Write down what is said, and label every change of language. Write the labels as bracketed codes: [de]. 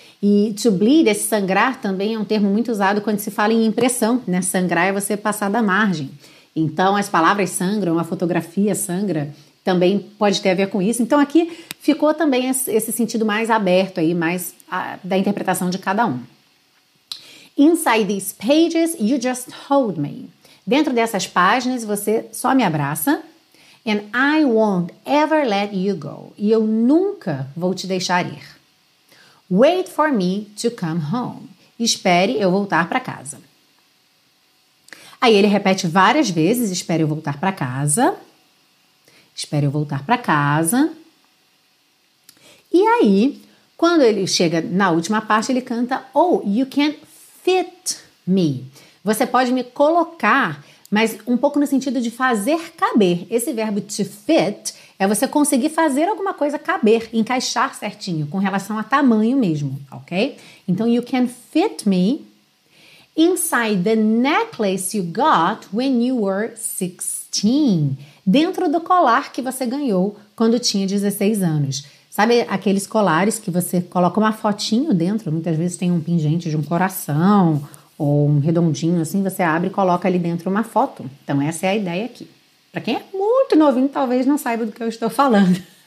[pt] E to bleed, esse sangrar, também é um termo muito usado quando se fala em impressão, né? Sangrar é você passar da margem. Então, as palavras sangram, a fotografia sangra, também pode ter a ver com isso. Então, aqui ficou também esse sentido mais aberto aí, mais da interpretação de cada um. [en] Inside these pages, you just hold me. [pt] Dentro dessas páginas, você só me abraça. [en] And I won't ever let you go. [pt] E eu nunca vou te deixar ir. [en] Wait for me to come home. [pt] Espere eu voltar para casa. Aí ele repete várias vezes, espere eu voltar para casa. Espere eu voltar para casa. E aí, quando ele chega na última parte, ele canta, [en] oh, you can fit me. [pt] Você pode me colocar, mas um pouco no sentido de fazer caber. Esse verbo to fit é você conseguir fazer alguma coisa caber, encaixar certinho, com relação a tamanho mesmo, ok? Então, [en] you can fit me inside the necklace you got when you were 16. [pt] Dentro do colar que você ganhou quando tinha 16 anos. Sabe aqueles colares que você coloca uma fotinho dentro? Muitas vezes tem um pingente de um coração ou um redondinho assim, você abre e coloca ali dentro uma foto. Então, essa é a ideia aqui. Para quem é muito novinho, talvez não saiba do que eu estou falando.